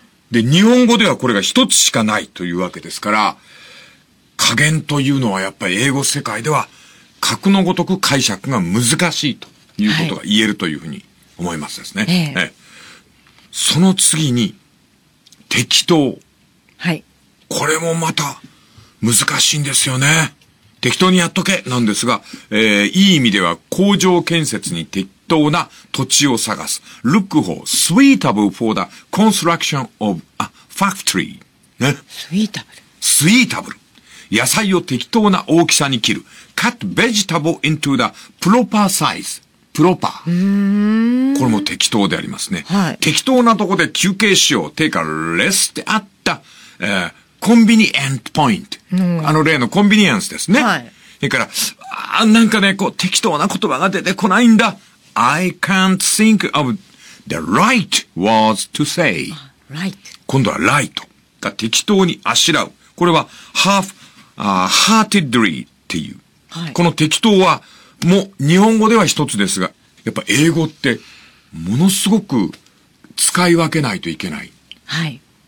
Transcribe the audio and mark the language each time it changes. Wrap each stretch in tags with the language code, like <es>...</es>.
<ja>で、日本語ではこれが一つしかないというわけですから、加減というのはやっぱり英語世界では格のごとく解釈が難しいということが言えるというふうに思いますですね、はい、その次に適当、はい、これもまた難しいんですよね。適当にやっとけなんですが、いい意味では工場建設に適当な土地を探す。</ja> <en>Look for suitable for the construction of a factory.</en> <ja>ね。</ja> <en>Suitable. Suitable.</en> <ja>野菜を適当な大きさに切る。</ja> <en>Cut vegetable into the proper size. Proper.</en> <ja>これも適当でありますね。はい、適当なとこで休憩しよう。</ja> <en>Take a rest at the、</en> <ja>コンビニエントポイント、あの例のコンビニエンスですね。はい、それから、あ、なんかね、こう適当な言葉が出てこないんだ。</ja> <en>I can't think of the right words to say。 Right。</en> <ja>今度はライトが適当にあしらう。これは half-heartedly っていう、はい。この適当はもう日本語では一つですが、やっぱ英語ってものすごく使い分けないといけない。はい。</ja>